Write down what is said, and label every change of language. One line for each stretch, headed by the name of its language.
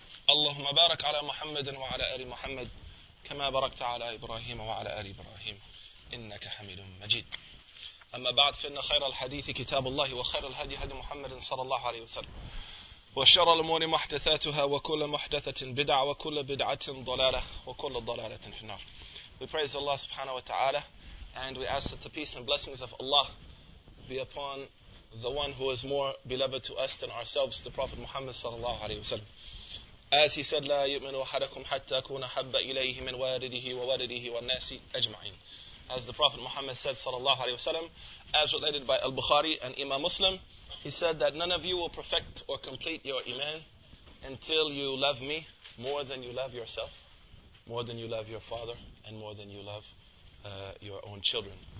Arabic: اللهم بارك على محمد وعلى آل محمد كما باركت على إبراهيم وعلى آل إبراهيم إنك حميد مجيد. أما بعد، فإن خير الحديث كتاب الله، وخير الهدي هدي محمد صلى الله عليه وسلم، وشر الأمور محدثاتها، وكل محدثة بدعة، وكل بدعة ضلالة، وكل ضلالة في النار.
English: We praise Allah subhanahu wa ta'ala, and we ask that the peace and blessings of Allah be upon the one who is more beloved to us than ourselves, the Prophet Muhammad sallallahu alayhi wa sallam. As he said,
Arabic: لا يؤمن أحدكم حتى أكون أحب إليه من والده ووالده والناس أجمعين.
English: As the Prophet Muhammad said sallallahu alayhi wa sallam, as related by Al-Bukhari and Imam Muslim, he said that none of you will perfect or complete your iman until you love me more than you love yourself, more than you love your father, and more than you love your own children.